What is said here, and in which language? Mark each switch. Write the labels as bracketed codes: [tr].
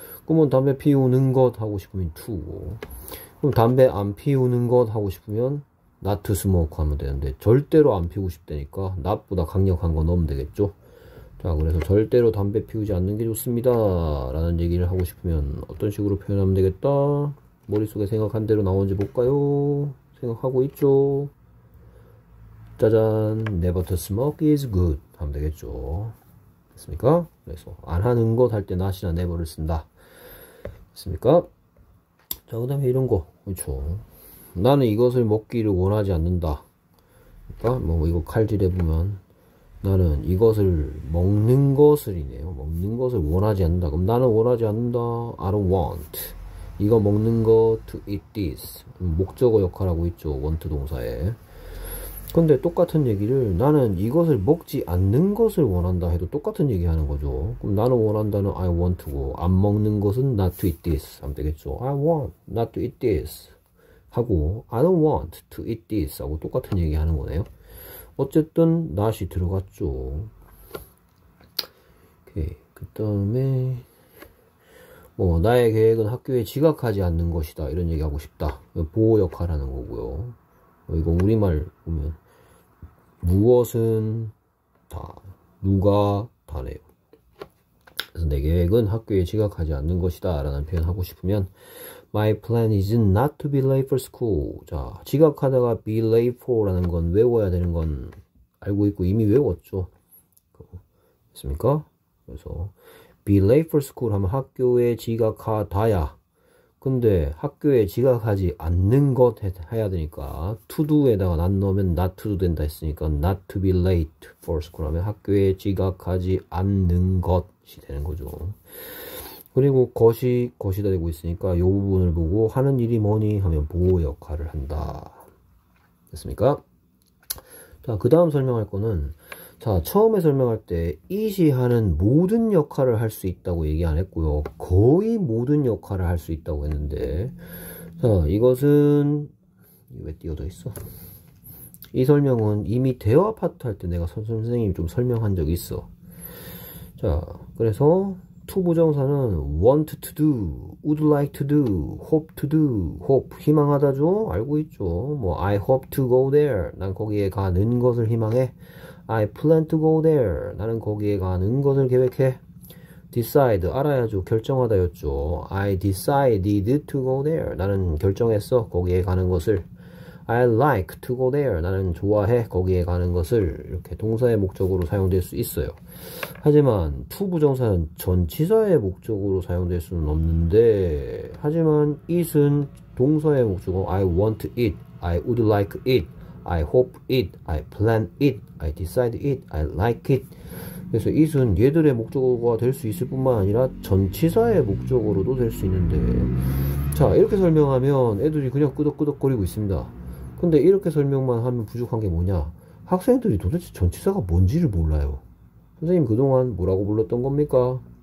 [ko] 그러면 담배 피우는 것 하고 싶으면 to고 그럼 담배 안 피우는 것 하고 싶으면 [en] not to smoke [ko] 하면 되는데 절대로 안 피우고 싶다니까 not보다 강력한 거 넣으면 되겠죠. 자, 그래서 절대로 담배 피우지 않는 게 좋습니다라는 얘기를 하고 싶으면 어떤 식으로 표현하면 되겠다. 머릿속에 생각한 대로 나오는지 볼까요? 생각하고 있죠. 짜잔, [en] never to smoke is good [ko] 하면 되겠죠. 됐습니까? 그래서 안 하는 것할때 not이나 never를 쓴다. 있습니까? 자, 그 다음에 이런 거. 그렇죠. 나는 이것을 먹기를 원하지 않는다. 그러니까, 뭐, 이거 칼질해 보면, 나는 이것을 먹는 것을이네요. 먹는 것을 원하지 않는다. 그럼 나는 원하지 않는다. [en] I don't want. [ko] 이거 먹는 거, [en] to eat this. [ko] 목적어 역할하고 있죠. want 동사에. 근데 똑같은 얘기를 나는 이것을 먹지 않는 것을 원한다 해도 똑같은 얘기 하는 거죠. 그럼 나는 원한다는 [en] I want [ko] 고, 안 먹는 것은 [en] not to eat this. [ko] 하면 되겠죠. [en] I want not to eat this. [ko] 하고, [en] I don't want to eat this. [ko] 하고 똑같은 얘기 하는 거네요. 어쨌든, not이 들어갔죠. 오케이. 그 다음에, 뭐, 나의 계획은 학교에 지각하지 않는 것이다. 이런 얘기 하고 싶다. 보호 역할 하는 거고요. 이거 우리말 보면, 무엇은 다, 누가 다네요. 그래서 내 계획은 학교에 지각하지 않는 것이다. 라는 표현하고 싶으면, [en] My plan is not to be late for school. [ko] 자, 지각하다가 be late for라는 건 외워야 되는 건 알고 있고 이미 외웠죠. 됐습니까? 그래서, [en] be late for school [ko] 하면 학교에 지각하다야. 근데 학교에 지각하지 않는 것 해야 되니까 투두에다가 not 넣으면 not to do 된다 했으니까 [en] not to be late for school [ko] 하면 학교에 지각하지 않는 것이 되는 거죠. 그리고 것이다 되고 있으니까 요 부분을 보고 하는 일이 뭐니 하면 보호 역할을 한다 됐습니까? 자, 그 다음 설명할 거는 자, 처음에 설명할 때 it이 하는 모든 역할을 할수 있다고 얘기 안 했고요. 거의 모든 역할을 할수 있다고 했는데 자, 이것은 왜 띄어져 있어? 이 설명은 이미 대화 파트 할때 내가 선생님이 좀 설명한 적 있어. 자, 그래서 to 부정사는 [en] want to do, would like to do, hope to do, [ko] hope 희망하다죠? 알고 있죠. 뭐 [en] I hope to go there. [ko] 난 거기에 가는 것을 희망해. [en] I plan to go there. [ko] 나는 거기에 가는 것을 계획해. [en] Decide. [ko] 알아야죠. 결정하다였죠. [en] I decided to go there. [ko] 나는 결정했어. 거기에 가는 것을. [en] I like to go there. [ko] 나는 좋아해. 거기에 가는 것을. 이렇게 동사의 목적으로 사용될 수 있어요. 하지만 to 부정사는 전치사의 목적으로 사용될 수는 없는데, 하지만 it은 동사의 목적으로 [en] I want it. I would like it. I hope it, I plan it, I decide it, I like it. [ko] 그래서 it은 얘들의 목적어가 될수 있을 뿐만 아니라 전치사의 목적으로도 될수 있는데. 자, 이렇게 설명하면 애들이 그냥 끄덕끄덕거리고 있습니다. 근데 이렇게 설명만 하면 부족한 게 뭐냐? 학생들이 도대체 전치사가 뭔지를 몰라요. 선생님, 그동안 뭐라고 불렀던 겁니까?